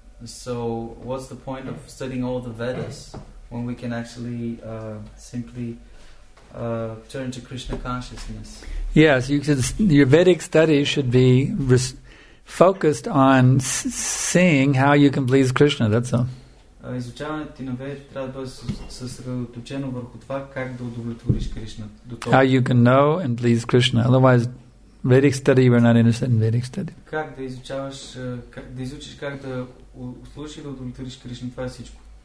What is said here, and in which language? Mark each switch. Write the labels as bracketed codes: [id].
[en] So, what's the point of studying all the Vedas when we can actually simply turn to Krishna consciousness? Yes, your Vedic studies should be focused on seeing how you can please Krishna, that's all. [bg] Изучаването на Ведите трябва да бъде съсредоточено върху това как да удовлетвориш Кришна. [en] How you can know and please Krishna. Otherwise, Vedic study, we're not interested in Vedic study. [bg] Как да изучаваш, да изучиш как да слушаш и да удовлетвориш Кришна, това е всичко.